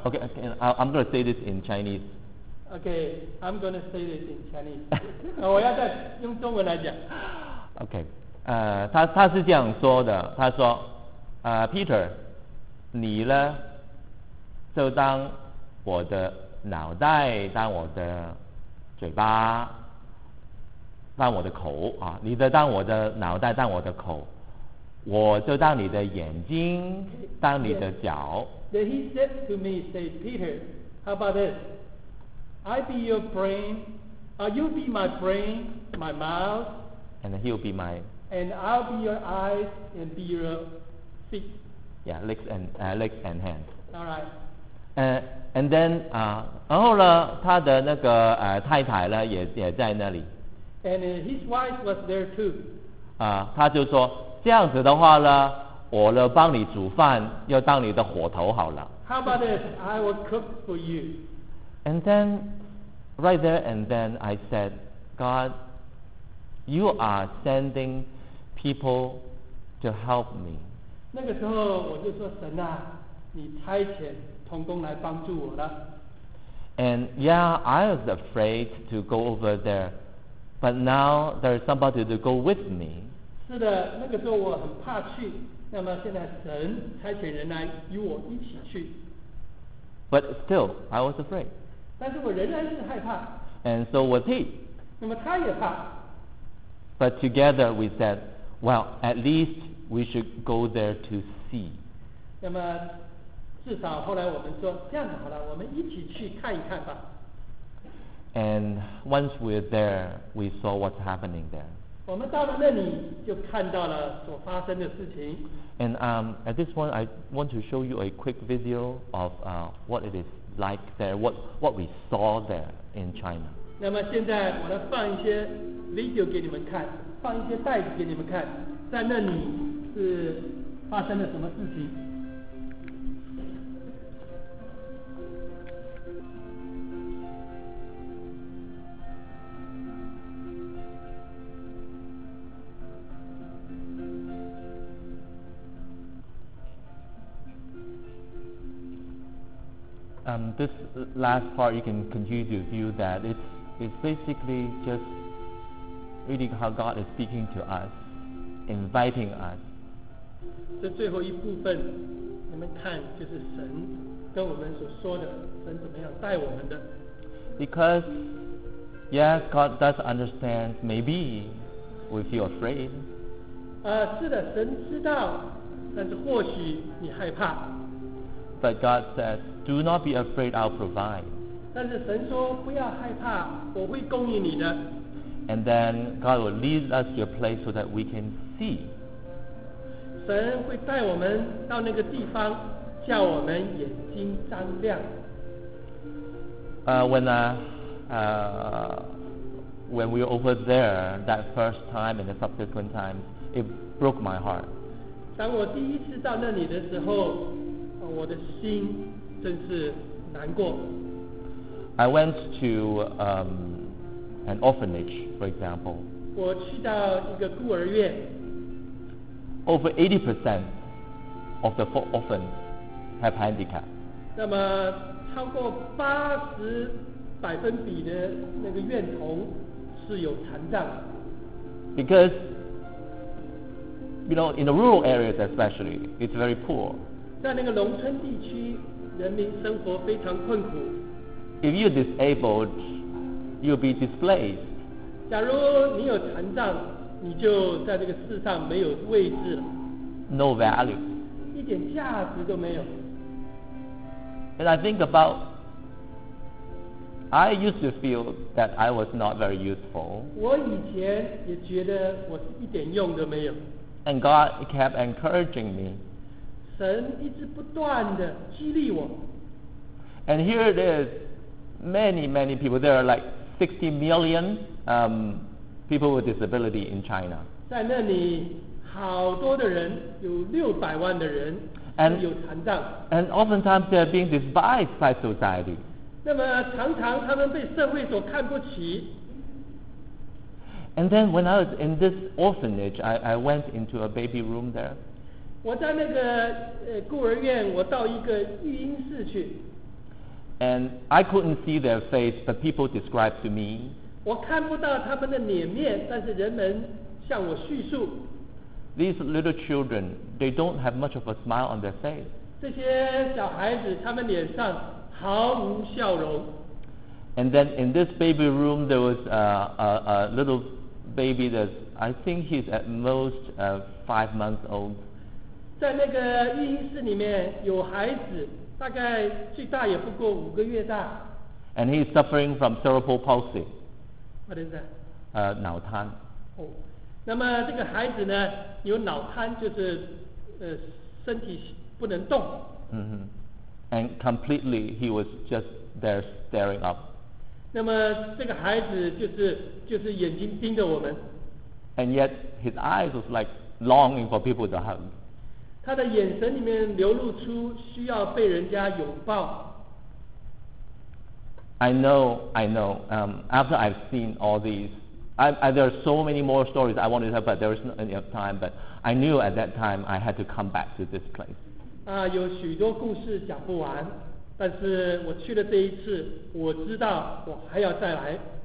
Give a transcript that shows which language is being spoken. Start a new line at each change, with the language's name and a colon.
English: Okay, I'm going to say this in Chinese. Okay, I'm going to say this in Chinese.
Chinese: 我要再用中文来讲。 Okay, 他是这样说的。他说，Peter, 你呢，就当我的脑袋，当我的嘴巴，当我的口啊，你的当我的脑袋，当我的口。我就当你的眼睛，当你的脚。
English: Then he said to me, "Say Peter, how about this? I be your brain, you be my brain, my mouth, and he'll be my and I'll be your eyes and be your feet. Yeah, legs and hands. All right. And then
Chinese: 然后呢，他的那个太太呢也在那里。
English: And his wife was there too.
Chinese: 他就说。这样子的话呢，我呢帮你煮饭，又当你的火头好了。
English: How about this? I will cook for you. And then, right there and then, I said, God, you are sending people to help me.
Chinese: 那个时候我就说，神啊，你差遣同工来帮助我了。
English: And yeah, I was afraid to go over there, but now there's somebody to go with me.
Chinese: 是的，那个时候我很怕去，那么现在神差遣人来与我一起去。
English: But still, I was afraid.
Chinese: 但是我仍然是害怕。
English: And so was he.
Chinese: 那么他也怕。
English: But together we said, well, at least we should go there to see.
Chinese: 那么至少后来我们说，这样子好了，我们一起去看一看吧。
English: And once we're there, we saw what's happening there.
Chinese: 我们到了那里就看到了所发生的事情。
English: And at this point, I want to show you a quick video of what it is like there, what we saw there in China.
Chinese: 那么现在我来放一些 video 给你们看，放一些带子给你们看，在那里是发生了什么事情。
English: This last part you can continue to view that it's basically just reading how God is speaking to us, inviting us.
Chinese: 这最后一部分你们看，就是神跟我们所说的，神怎么样带我们的。
English: Because yes, God does understand. Maybe we feel afraid.
Chinese: 是的，神知道，但是或许你害怕。
English: But God says, do not be afraid, I'll provide.
Chinese: 但是神说不要害怕，我会供应你的。
English: And then God will lead us to a place so that we can see.
Chinese: 神会带我们到那个地方，叫我们眼睛张亮。
English: When we were over there that first time and the subsequent times, it broke my heart.
Chinese: 当我第一次到那里的时候，我的心真是难过。
English: I went to an orphanage, for example.
Chinese: 我去到一个孤儿院。
English: Over 80% of the orphans have handicap.
Chinese: 那么超过八十百分比的那个院童是有残障。
English: Because, you know, in the rural areas especially, it's very poor.
Chinese: 在那个农村地区，人民生活非常困苦。
English: If you're disabled, you'll be displaced.
Chinese: 假如你有残障，你就在这个世上没有位置了。
English: No value.
Chinese: 一点价值都没有。
English: And I think about, I used to feel that I was not very useful.
Chinese: 我以前也觉得我是一点用都没有。
English: And God kept encouraging me.
Chinese: 神一直不断地激励我。
English: And here it is, many, many people, there are like 60 million people with disability in China.
Chinese: 在那里好多的人，有600万的人
English: And,
Chinese: 有残障。
English: And oftentimes they are being despised by society.
Chinese: 那么常常他们被社会所看不起。
English: And then when I was in this orphanage, I went into a baby room there.
Chinese: 我在那个孤儿院，我到一个育婴室去。
English: And I couldn't see their face, but people described to me.
Chinese: 我看不到他们的脸面，但是人们向我叙述。
English: These little children, they don't have much of a smile on their face.
Chinese: 这些小孩子，他们脸上毫无笑容。
English: And then in this baby room, there was a little baby that I think he's at most 5 months old.
Chinese: 在那个育婴室里面有孩子，大概最大也不过五个月大。
English: And he's suffering from cerebral palsy. What is that?
Chinese: 脑瘫。那么这个孩子呢，有脑瘫，就是身体不能动。
English: And completely he was just there staring up.
Chinese: 那么这个孩子就是眼睛盯着我们。
English: And yet his eyes was like longing for people to hug.
Chinese: 他的眼神里面流露出需要被人家拥抱。
English: I know. After I've seen all these, there are so many more stories I wanted to have, but there is not enough time. But I knew at that time I had to come back to this place.
Chinese: 有许多故事讲不完，但是我去了这一次，我知道我还要再来。